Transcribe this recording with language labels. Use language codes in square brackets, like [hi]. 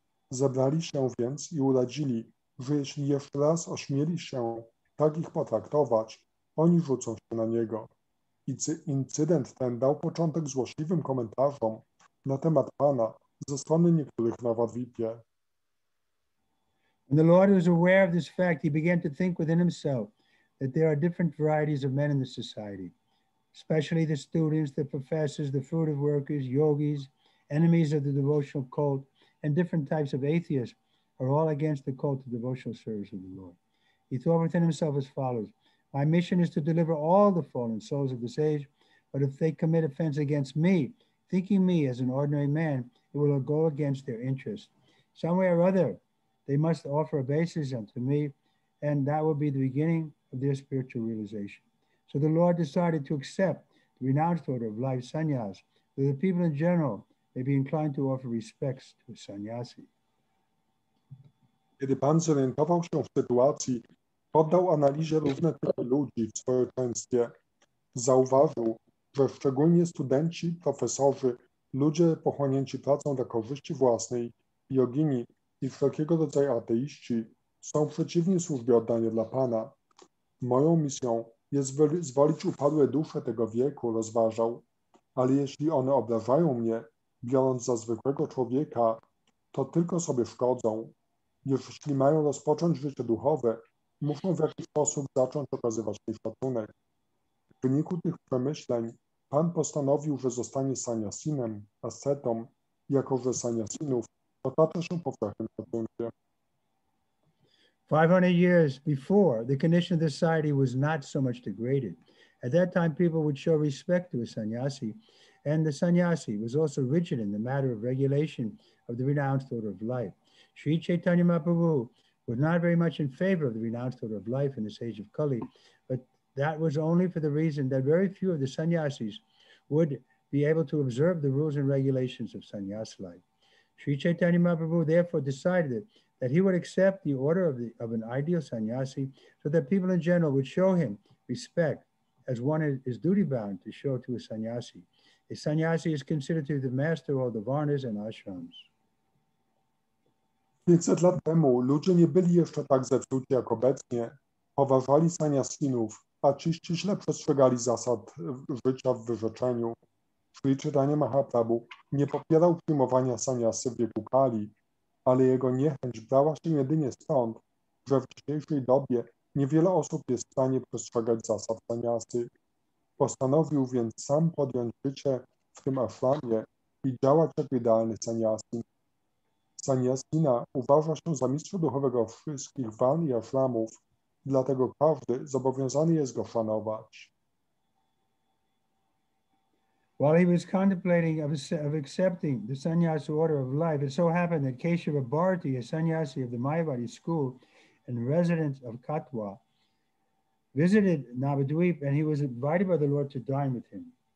[pl] Zebrali się więc i uradzili, że jeśli jeszcze raz ośmieli się tak ich potraktować, oni rzucą się na niego. I incydent ten dał początek złośliwym komentarzom na temat Pana ze strony niektórych Navadvipie. [en] When the Lord was aware of this fact, he began to think within himself that there are different varieties of men in the society, especially the students, the professors, the fruitive workers, yogis, enemies of the devotional cult, and different types of atheists are all against the cult of devotional service of the Lord. He thought within himself as follows: my mission is to deliver all the fallen souls of this age, but if they commit offense against me, thinking me as an ordinary man, it will go against their interest. Some way or other, they must offer obeisance unto me, and that will be the beginning of their spiritual realization. So the Lord decided to accept the renounced order of life, sannyas, so the people in general may be inclined to offer respects to a sannyasi. [pl] Kiedy Pan zorientował się w sytuacji, poddał analizie różne typy ludzi w społeczeństwie, zauważył, że szczególnie studenci, profesorzy Ludzie pochłonięci pracą dla korzyści własnej, jogini i wszelkiego rodzaju ateiści są przeciwni służbie oddania dla Pana. Moją misją jest zwalić upadłe dusze tego wieku, rozważał, ale jeśli one obrażają mnie, biorąc za zwykłego człowieka, to tylko sobie szkodzą. Jeśli mają rozpocząć życie duchowe, muszą w jakiś sposób zacząć okazywać mi szacunek. W wyniku tych przemyśleń Pan postanowił, że zostanie sannyasinem, ascetą, jako że sannyasinów otacza się powszechnym szacunkiem. [en] 500 years before, the condition of the society was not so much degraded. At that time, people would show respect to a sannyasi, and the sannyasi was also rigid in the matter of regulation of the renounced order of life. Sri Chaitanya Mahaprabhu was not very much in favor of the renounced order of life in this age of Kali, but that was only for the reason that very few of the sannyasis would be able to observe the rules and regulations of sannyas life. Sri Chaitanya Mahaprabhu therefore decided that he would accept the order of an ideal sannyasi so that people in general would show him respect as one is duty-bound to show to a sannyasi. A sannyasi is considered to be the master of all the varnas and ashrams. [pl] 500 lat temu ludzie nie byli jeszcze tak zepsuci jak obecnie. Poważali sannyasinów, a ci ściśle przestrzegali zasad życia w wyrzeczeniu. Sri Chaitanya Mahaprabhu nie popierał przyjmowania sannyasy w wieku Kali, ale jego niechęć brała się jedynie stąd, że w dzisiejszej dobie niewiele osób jest w stanie przestrzegać zasad sannyasy. Postanowił więc sam podjąć życie w tym ashramie i działać jak idealny sannyasin. Sannyasina uważa się za mistrza duchowego wszystkich van i ashramów, dlatego każdy zobowiązany jest go szanować. [en] While he was contemplating of accepting the sannyas order of life, it so happened that Keshava Bharati, a sannyasi of the Mayavadi school and resident of Katwa, visited Navadvip and he was invited by the Lord to dine with him.